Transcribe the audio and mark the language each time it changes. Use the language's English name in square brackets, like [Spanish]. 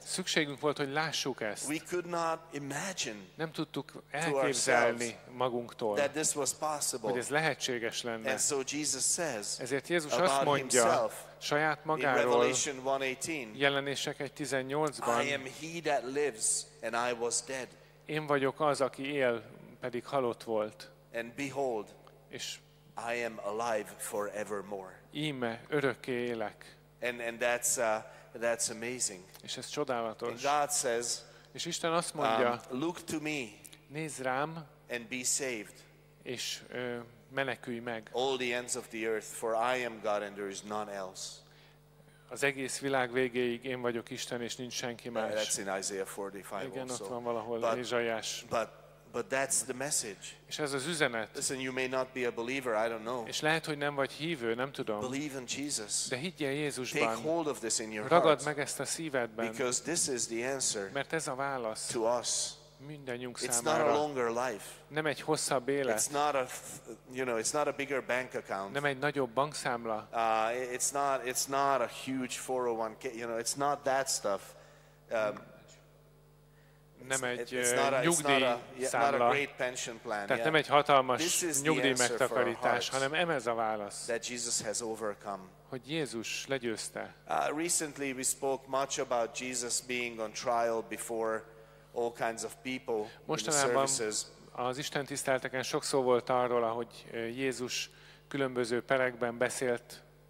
[Hungarian] Szükségünk volt, hogy lássuk ezt. [English] We could not imagine. [Hungarian] Nem tudtuk elképzelni magunktól, [English] that this was possible. [Hungarian] Hogy ez lehetséges lenne. [English] And so Jesus says, [Hungarian] ezért Jézus azt mondja saját magáról, Jelenések 1:18-ban, [English] I am he that lives and I was dead. [Hungarian] Én vagyok az, aki él, pedig halott volt. [English] And behold, [Hungarian] és [English] I am alive forevermore. [Hungarian] Íme, örökké élek. [English] And that's amazing. [Hungarian] És ez csodálatos. [English] And God says, [Hungarian] és Isten azt mondja, [English] look to me, [Hungarian] nézz rám, [English] and be saved. [Hungarian] És menekülj meg. [English] All the ends of the earth, for I am God and there is none else. [Hungarian] Az egész világ végéig én vagyok Isten és nincs senki más. [English] That's in Isaiah 45. [Hungarian] Igen, [English] also. [Hungarian] Ott van valahol Ézsaiás. [English] But that's the message. [Hungarian] És ez az üzenet. [English] Listen, you may not be a believer, I don't know. [Hungarian] És lehet, hogy nem vagy hívő, nem tudom. [English] Believe in Jesus. [Hungarian] De higgyél Jézusban. [English] Take hold of this in your heart. [Hungarian] Ragadd meg ezt a szívedben. [English] Because this is the answer. [Hungarian] Mert ez a válasz. [English] To us. [Hungarian] Mindannyiunk [English] it's [Hungarian] számára. [English] Not a longer life. [Hungarian] Nem egy hosszabb élet. [English] It's not a, you know, it's not a bigger bank account. [Hungarian] Nem egy nagyobb bankszámla. [English] It's not a huge 401k, you know, it's not that stuff. [Hungarian] nem egy nyugdíjszámla, tehát nem egy hatalmas nyugdíj megtakarítás, hanem ez a válasz, [English] that Jesus has overcome. [Hungarian] Hogy Jézus legyőzte. [English] Recently we spoke much about Jesus being on trial before all kinds of people in the services. [Hungarian] Az Isten tisztelteken sok szó volt arról, ahogy Jézus különböző perekben beszélt.